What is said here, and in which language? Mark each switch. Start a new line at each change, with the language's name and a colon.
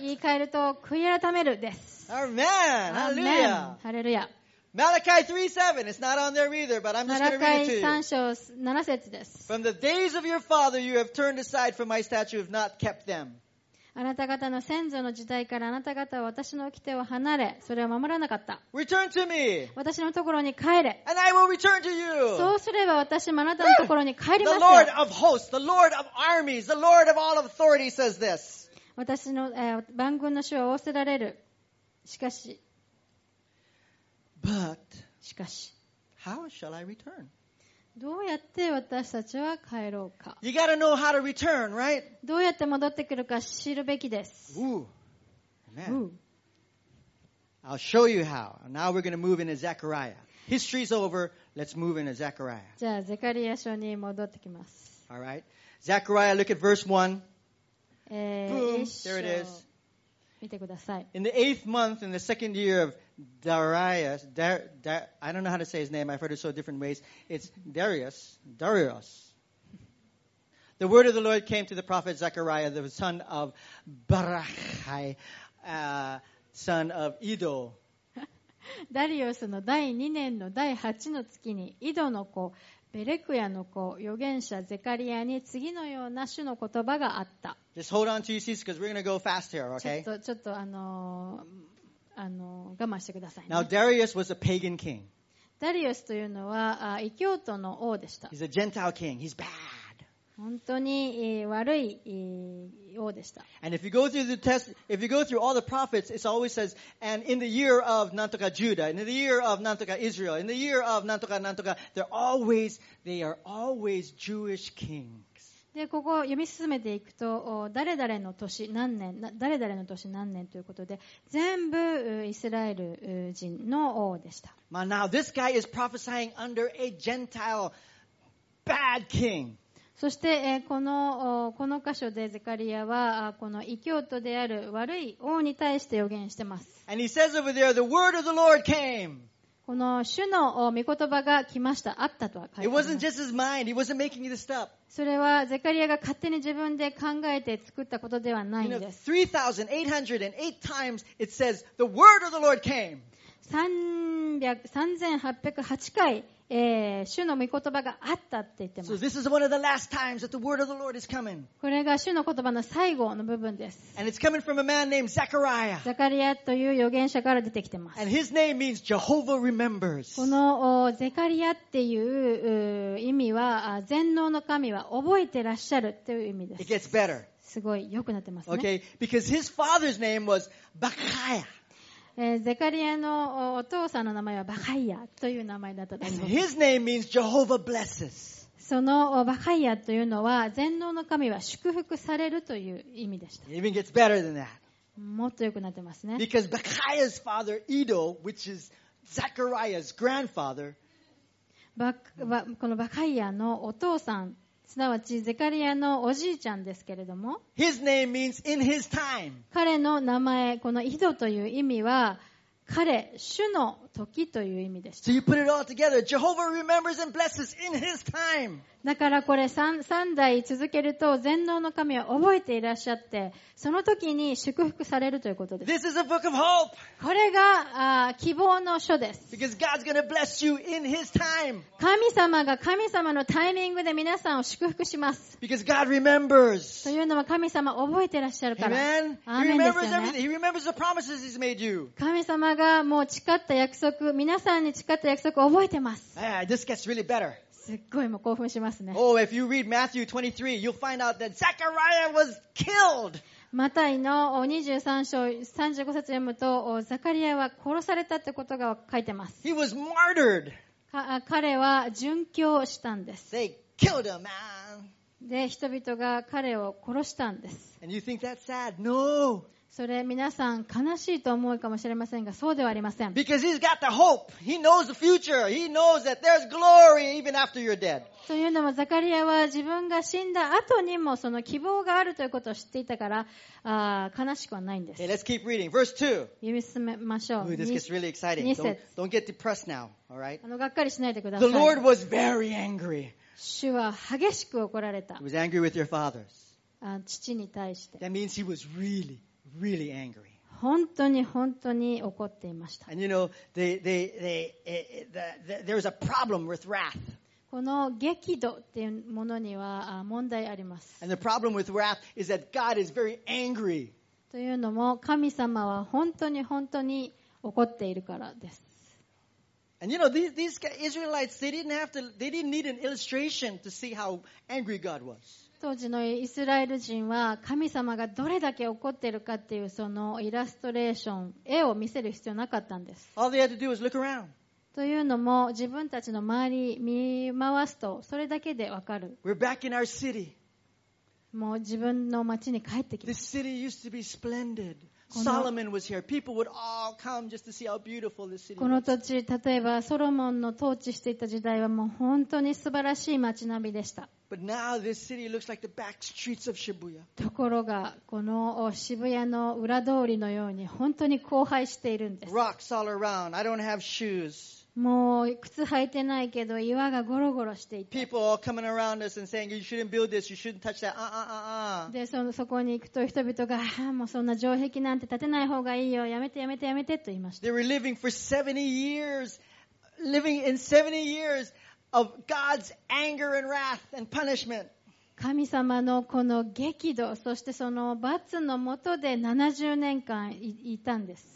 Japanese: 言い換えると悔い改めるです。
English: Amen! Hallelujah! ハレルヤ。 Malachi 3:7. It's not on there either, but I'm just going to read it to you. Malachi 3:7
Japanese: です。
English: From the days of your father, you have turned aside from my statute, you have not kept them.
Japanese: あなた方の先祖の時代からあなた方は私の掟を離れ、それを守らなかった。
English: Return to me.
Japanese: 私のところに帰れ。
English: And I will return to you.
Japanese: そうすれば私もあなたのところに帰りますよ。
English: The Lord of hosts, the Lord of armies, the Lord of all authority says this.
Japanese: 私の万軍の主は仰せられる。しかし。
English: But,
Japanese: しかし、
English: how shall I return?
Japanese: どうやって私たちは帰ろうか。
English: You gotta know how to return, right?
Japanese: どうやって戻ってくるか知るべきです。
English: Ooh, amen. Ooh. I'll show you how. Now we're gonna move into Zechariah. History's over. Let's move into Zechariah.
Japanese: じゃあゼカリア書に戻ってきます。
English: All right. Zechariah, look at verse 1. Boom. There it is.
Japanese: 見てください。
English: In the eighth month, in the second year of Darius, I don't know how to say his name. I've heard it so different ways. It's Darius. Darius. The word of the Lord came to the prophet Zechariah, the son of Barachai, son of Ido.
Japanese: Darius の第2年の第8の月に、イドの子、ベレクヤの子、預言者ゼカリアに次のような主の言葉があった。
English: Just hold on to your seats because we're going to go fast here, okay?
Japanese: ちょっと我慢してくださいね。
English: Now, Darius was a pagan king.
Japanese: ダリウスというのは異教徒の王でした。
English: He's a Gentile king. He's bad.
Japanese: 本当に悪い王でした。
English: And if you go through the test, if you go through all the prophets, it always says, and in the year of
Japanese: なんとか
English: Judah, in the year of なんとか Israel, in the year of
Japanese: なんとかなんとか,
English: they are always Jewish kings.
Japanese: で、ここを読み進めていくと、誰々の年何年、誰々の年何年ということで、全部イスラエル人の王でした。
English: まあ、now this guy is prophesying under a Gentile bad king.
Japanese: そしてこの箇所でゼカリアはこの異教徒である悪い王に対して予言してます。
English: And he says over there, the word of the Lord came.
Japanese: この主の御言葉が来ました、あったとは書いてあります。
English: It wasn't just his mind. He wasn't making this up.
Japanese: それはゼカリアが勝手に自分で考えて作ったことではないんです。
English: You know, 3,808 times it says, the word of the Lord came.
Japanese: 3,808 回主の御言葉があったって言ってます。
English: So、
Japanese: これが主の言葉の最後の部分です。
English: And it's coming from a man named Zechariah.
Japanese: ザカリアという預言者から出てきてます。
English: And his name means Jehovah remembers.
Japanese: このゼカリアっていう意味は全能の神は覚えてらっしゃるっていう意味です。
English: It gets better.
Japanese: すごい良くなってますね。
English: Okay, because his father's name was Bakaya.
Japanese: ゼカリアのお父さんの名前はバカイヤという名前だったです。
English: And his name means Jehovah blesses.
Japanese: そのバカイヤというのは全能の神は祝福されるという意味でした。
English: It even gets better than that.
Japanese: もっと良くなってますね。
English: Because Bakaya's father Edo, which is Zechariah's grandfather,
Japanese: このバカイヤのお父さん、すなわちゼカリアのおじいちゃんですけれども、
English: His name means in his time.
Japanese: 彼の名前、この井戸という意味は、彼、主の時という意味でした。
English: So you put it all together. Jehovah remembers and blesses in his time.
Japanese: だからこれ 3代続けると、全能の神は覚えていらっしゃって、その時に祝福されるということです。
English: This is a book of hope.
Japanese: これが希望の書です。
English: Because God's gonna bless you in his time.
Japanese: 神様が神様のタイミングで皆さんを祝福します。
English: Because God remembers.
Japanese: というのは神様覚えていらっしゃるから。
English: Amen.
Japanese: アーメンですよね。
English: He remembers the promises he's made you.
Japanese: 神様がもう誓った約束、皆さんに誓った約束を覚えてます。
English: This gets really better.
Japanese: すっごいも興奮しますね。
English: Oh, if you read Matthew 23, you'll find out that Zechariah was killed.
Japanese: マタイの23章35節読むと、ザカリアは殺されたってことが書いてます。
English: He was martyred.
Japanese: 彼は殉教したんです。
English: They killed him, man.
Japanese: で、人々が彼を殺したんです。
English: And you think that's sad? No.
Japanese: それ皆さん悲しいと思うかもしれませんが、そうではありません。
English: Because he's got the hope. He knows the future. He knows that there's glory even after you're dead.
Japanese: というのもザカリアは自分が死んだ後にもその希望があるということを知っていたから、悲しくはないんです。
English: Okay, let's keep reading. Verse 2.
Japanese: 読み進めましょう。
English: Ooh, this gets really exciting.
Japanese: 2節。
English: Don't get depressed now, all right?
Japanese: がっかりしないでください。
English: The Lord was very angry.
Japanese: 主は激しく怒られた。
English: He was angry with your fathers.
Japanese: 父に対して。
English: That means he was really. Really angry.
Japanese: 本当に本当に怒っていました。
English: And you know, there is a problem with wrath.
Japanese: この激怒っていうものには問題あります。
English: And the problem with wrath is that God is very angry.
Japanese: というのも神様は本当に本当に怒っているからです。
English: And you know, these Israelites, they didn't need an illustration to see how angry God was.
Japanese: 当時のイスラエル人は神様がどれだけ怒っているかっていうそのイラストレーション、絵を見せる必要なかったんです。
English: All they had to do was look around.
Japanese: というのも自分たちの周り見回すとそれだけでわかる。
English: We're back in our city.
Japanese: もう自分の町に帰ってきました。
English: This city used to be splendid. Solomon was here. People would all come just to see how beautiful this city was.
Japanese: この土地、例えばソロモンの統治していた時代はもう本当に素晴らしい街並みでした。
English: But now this city looks like the back streets of Shibuya.
Japanese: ところがこの渋谷の裏通りのように本当に荒廃しているんです。
English: Rocks all around. I don't have shoes.
Japanese: もう靴履いてないけど岩がゴロゴロしていて。
English: People all coming around us and saying you shouldn't build this, you shouldn't touch that.
Japanese: でそこに行くと人々がもうそんな城壁なんて建てない方がいいよ、やめてやめてやめてと言いました。
English: They were living for 70 years, living in 70 years of God's anger and wrath and punishment.
Japanese: 神様のこの激怒、そしてその罰の下で70年間いたんです。